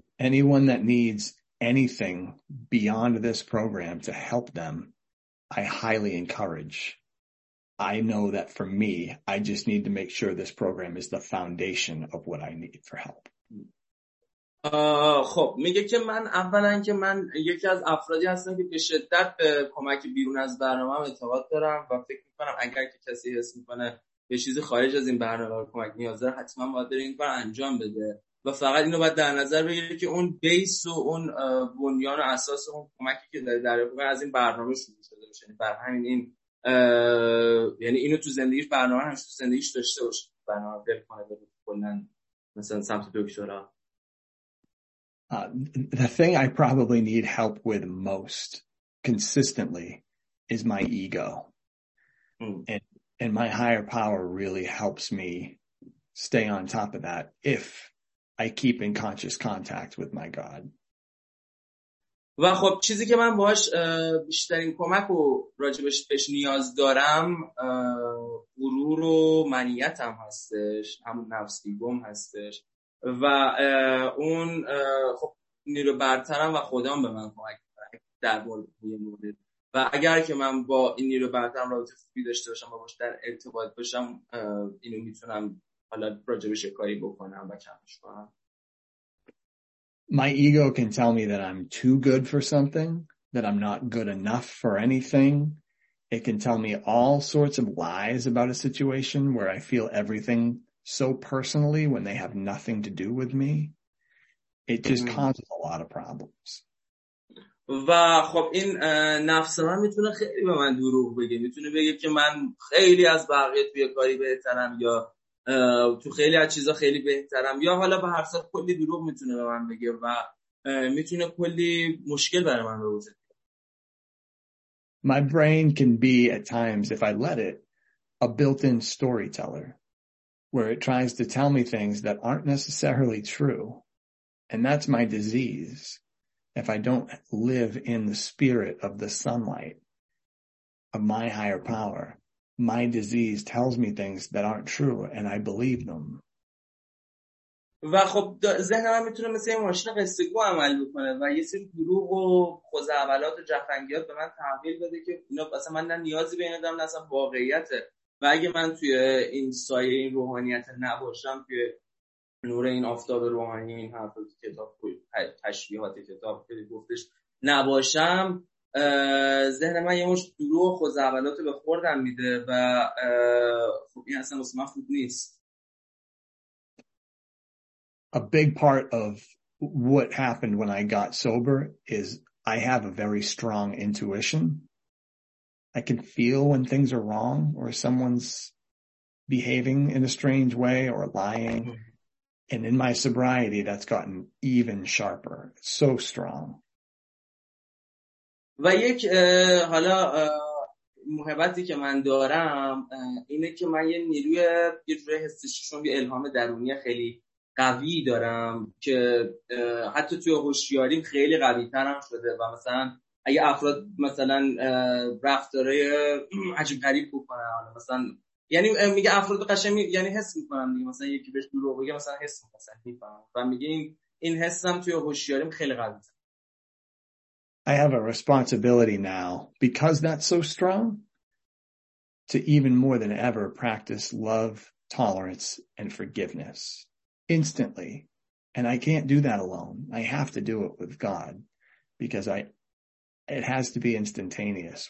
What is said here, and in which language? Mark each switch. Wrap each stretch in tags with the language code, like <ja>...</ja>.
<en>Anyone that needs anything beyond this program to help them, I highly encourage. I know that for me, I just need to make sure this program is the foundation of what I need for help.</en> <fa>خب میگه که من اولا که من یکی از افرادی هستم که به شدت به کمک بیرون از برنامه اعتقاد دارم و فکر میکنم اگر که کسی حس میکنه به چیزی خارج از این برنامه کمک نیاز داره حتما باید بره این کار انجام بده و فقط اینو باید در نظر بگیره که اون بیس و اون بنیان و اساس اون کمکی که داره در واقع از این برنامه شروع شده باشه، یعنی بر همین این یعنی اینو تو زندگیش برنامه همش تو زندگیش داشته باشه، برنامه دل کنه بره کلا مثلا سمت دکترا.</fa> <en>The thing I probably need help with most consistently is my ego. And my higher power really helps me stay on top of that if I keep in conscious contact with my God.</en> <fa>و خب چیزی که من باهاش بیشترین کمک و راجبش بهش نیاز دارم غرور و منیتم هستش، همون نفس ایگوم هستش و اون خب نیرو برترم و خودم به من کمک در مورد و اگر که من با این نیرو برترم رابطه خوبی داشته باشم و باش در ارتباط باشم اینو میتونم حالا راجبش کاری بکنم و کمش کنم.</fa> <en>My ego can tell me that I'm too good for something, that I'm not good enough for anything. It can tell me all sorts of lies about a situation where I feel everything so personally when they have nothing to do with me. It just causes a lot of problems.</en> <fa>و خب این نفس من میتونه خیلی به من دروغ بگه، میتونه بگه که من خیلی از بقیه توی کاری بهترم یا تو خیلی از چیزا خیلی بهترم یا حالا به هر صورت کلی دروغ میتونه به من بگه و میتونه کلی مشکل برای من بروزه.</fa> <en>My brain can be at times, if I let it, a built-in storyteller where it tries to tell me things that aren't necessarily true. And that's my disease. If I don't live in the spirit of the sunlight of my higher power, my disease tells me things that aren't true and I believe them.</en> <fa>و خب ذهنم میتونه مثل یه ماشین قصه‌گو عمل بکنه و یه سری دروغ و خزعبلات و جفنگیات به من تحویل بده که اینا اصلا من نه نیازی به این دارم نه اصلا واقعیته. و اگه من توی این سایه این روحانیت نباشم، توی نور این آفتاب روحانی، این حرف کتاب تشبیهات کتاب که گفتش نباشم، ذهن من یه مش دروغ و خزعبلات به خوردم میده و خب این اصلا واسه من خوب نیست.</fa> <en>A big part of what happened when I got sober is I have a very strong intuition. I can feel when things are wrong or someone's behaving in a strange way or lying. Mm-hmm. And in my sobriety, that's gotten even sharper. So strong.</en> <fa>و یک حالا محبتی که من دارم اینه که من یه نیروی یه حس ششم، یه الهام درونی خیلی قوی دارم که حتی توی هوشیاریم خیلی قوی ترم شده و مثلا اگه افراد مثلا رفتارای عجیب غریب بکنن، مثلا یعنی میگه افراد قشنگ یعنی حس میکنن دیگه، مثلا یکی بهش دروغ بگه مثلا حس میکنن میفهمم و میگه این حسم توی هوشیاریم خیلی قوی تر.</fa> <en>I have a responsibility now because that's so strong to even more than ever practice love, tolerance and forgiveness instantly, and I can't do that alone. I have to do it with God because it has to be instantaneous.</en>